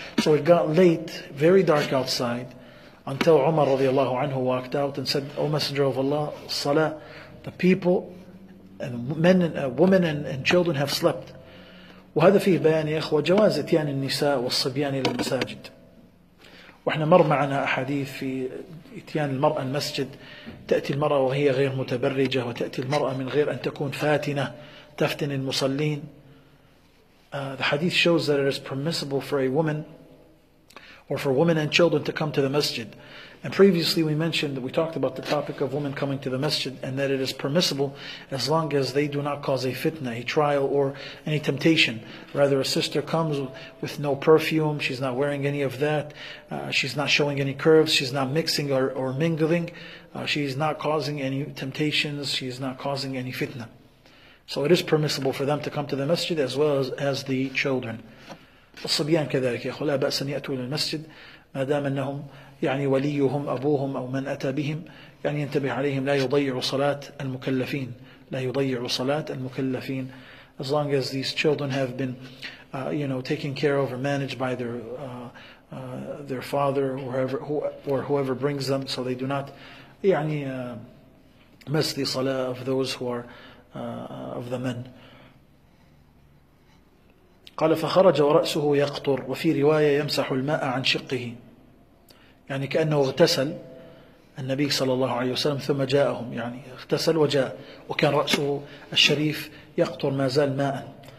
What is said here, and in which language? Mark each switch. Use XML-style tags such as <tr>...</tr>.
<en>So it got late, very dark outside, until Umar radiallahu anhu walked out and said, O Messenger of Allah, Salah, the people, and men, women and children have slept.</en> <ar>وهذا فيه بيان يا إخوة جواز إتيان النساء والصبيان إلى المساجد. وإحنا مر معنا أحاديث في إتيان المرأة المسجد، تأتي المرأة وهي غير متبرجة، وتأتي المرأة من غير أن تكون فاتنة تفتن المصلين.</ar> <en>The hadith shows that it is permissible for a woman or for women and children to come to the masjid. And previously we mentioned that we talked about the topic of women coming to the masjid and that it is permissible as long as they do not cause a fitna, a trial or any temptation. Rather, a sister comes with no perfume, she's not wearing any of that, she's not showing any curves, she's not mixing or mingling, she's not causing any temptations, she's not causing any fitna. So it is permissible for them to come to the masjid as well as the children.</en> <ar>الصبيان كذلك يقول لا بأس أن يأتوا إلى المسجد ما دام أنهم يعني وليهم أبوهم أو من أتى بهم يعني ينتبه عليهم لا يضيع صلاة المكلفين لا يضيع صلاة المكلفين.</ar> <en>As long as these children have been you know taken care of or managed by their father or whoever brings them, so they do not</en> <ar>يعني</ar> <en>miss the صلاة of those who are of the men.</en> <ar>قال فخرج ورأسه يقطر وفي رواية يمسح الماء عن شقه يعني كأنه اغتسل النبي صلى الله عليه وسلم ثم جاءهم يعني اغتسل وجاء وكان رأسه الشريف يقطر ما زال ماء.</ar>